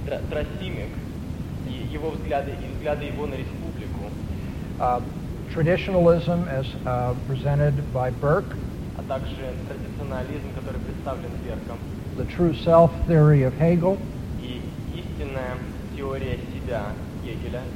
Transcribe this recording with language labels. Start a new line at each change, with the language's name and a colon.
Russian: Трасимик и его взгляды и взгляды его на республику.
English: Traditionalism as presented by Burke.
Russian: А также традиционализм, который представлен Берком.
English: The true self theory of Hegel.
Russian: И истинная теория себя Гегеля.